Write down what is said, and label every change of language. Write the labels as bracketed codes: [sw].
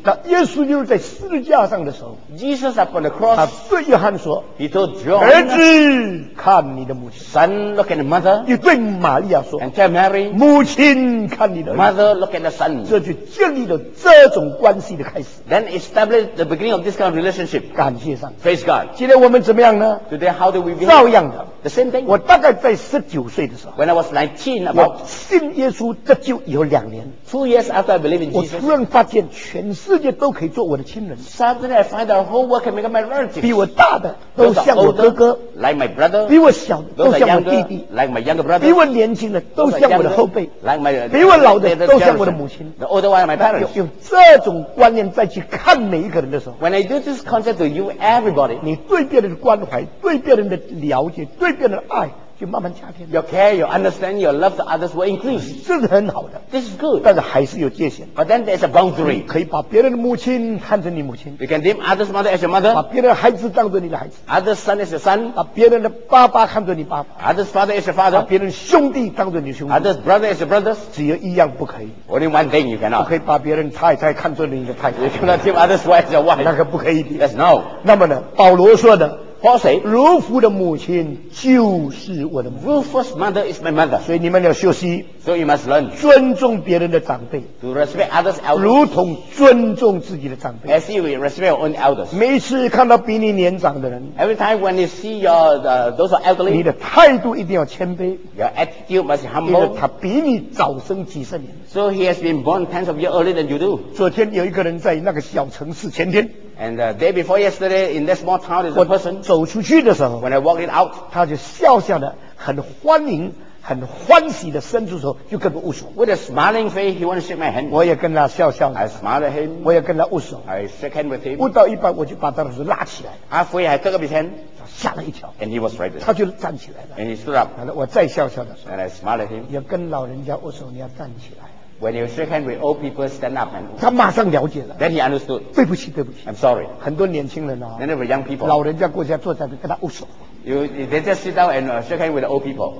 [zh] 那耶稣就是在十字架上的时候。 [en] Jesus upon the cross. [zh] 他对约翰说。 [en] He told John. [zh] 儿子，看你的母亲。 [en] Son, look at the mother. [zh] 你对玛利亚说。 [en] And tell Mary. [zh] 母亲，看你的。 [en] Mother, look at the son. [zh] 这就建立了这种关系的开始。 [en] Then establish the beginning of this kind of relationship. [zh] 感谢上帝。 [en] Praise God. [zh] 今天我们怎么样呢？ [en] Today, how do we behave? [zh] 照样的。 [en] The same thing. [zh] 我大概在十九岁的时候。 [en] When I was 19, about. [zh] 信耶稣。就有两年 [en] 2 years after I believe in Jesus， [zh] 我突然发现全世界都可以做我的亲人。 [en] Suddenly I find the whole world can make my relatives。 [zh] 比我大的都像我哥哥， [en] like my brother。 [zh] 比我小的都像我弟弟， [en] like my younger brother。 [zh] 比我年轻的都像我的后辈， [en] like my。 [zh] 比我老的都像我的母亲， [en] the older one my parents。 [zh] 用这种观念再去看每一个人的时候， [en] When I do this concept to you everybody， [zh] 你对别人的关怀，对别人的了解，对别人的爱就慢慢加添。 [en] Your care, your understanding, your love to others will increase. [zh] 这是很好的。 [en] This is good. [zh] 但是还是有界限。 [en] But then there's a boundary. [zh] 可以把别人的母亲看成你母亲。 [en] You can deem others mother as your mother. [zh] 把别人的孩子当作你的孩子。 [en] Others son as your son. [zh] 把别人的爸爸看作你爸爸。 [en] Others father as your father. [zh] 把别人兄弟当作你兄弟。 [en] Others brother as your brothers. [zh] 只有一样不可以。 [en] Only one thing you cannot. [zh] 不可以把别人太太看作你的太太。 [en] You cannot deem others wife as your wife. [zh] 那个不可以的。 [en] That's no. [zh] 那么呢，保罗说的。 [en] Paul say, [zh] 如父的母亲就是我的母亲。 [en] Rufus mother is my mother. [zh] 所以你们要学习。 [en] So you must learn. [zh] 尊重别人的长辈。 [en] To respect others elders. [zh] 如同尊重自己的长辈。 [en] As you respect your own elders. [zh] 每次看到比你年长的人。 [en] Every time when you see your, those are elderly. [zh] 你的态度一定要谦卑。 [en] Your attitude must be humble. [zh] 因为他比你早生几十年。 [en] So he has been born tens of years earlier than you do. [zh] 昨天有一个人在那个小城市前天。 [en] And the day before yesterday, in that small town, there's a person. [zh] 走出去的时候 [en] ，when I walked it out, [zh] 他就笑笑的，很欢迎，很欢喜的伸出手，就跟我握手。 [en] With a smiling face, he wanted to shake my hand. [zh] 我也跟他笑笑。 [en] I smiled at him. [zh] 我也跟他握手。 [en] I shook hand with him. [zh] 握到一半，我就把他的手拉起来。 [en] Halfway, I took up his hand. [zh] 吓了一跳。 [en] And he was frightened. [zh] 他就站起来了。 [en] And he stood up. [zh] 我再笑笑的时候 [en] ，and I smiled at him. [zh] 也跟老人家握手，你要站起来。 [en] When you shake hands with old people, stand up and. [zh] 他马上了解了。 [en] Then he understood. [zh] 对不起，对不起。 [en] I'm sorry. [zh] 很多年轻人啊。 [en] Then there were young people. [zh] 老人家过去坐在那跟他握手。 [en] They just sit down and shake hands with old people.